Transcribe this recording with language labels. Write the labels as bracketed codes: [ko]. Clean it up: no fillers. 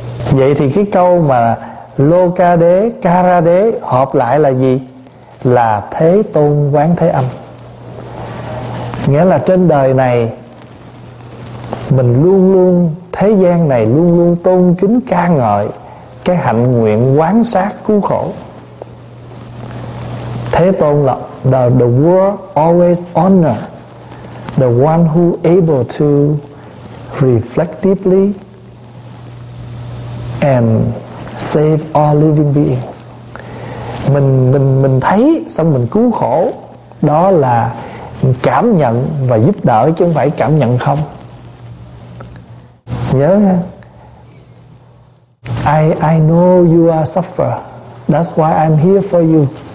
[vi] Vậy thì cái câu mà Lô Ca Đế, Ca Ra Đế hợp lại là gì? Là Thế Tôn Quán Thế Âm. Nghĩa là trên đời này mình luôn luôn, thế gian này luôn luôn tôn kính ca ngợi cái hạnh nguyện quán sát cứu khổ. Thế Tôn là [en] the world always honor the one who able to reflect deeply and save all living beings. [vi] Mình thấy xong mình cứu khổ, đó là cảm nhận và giúp đỡ chứ không phải cảm nhận không. Nhớ nha. [en] I know you are suffer. That's why I'm here for you.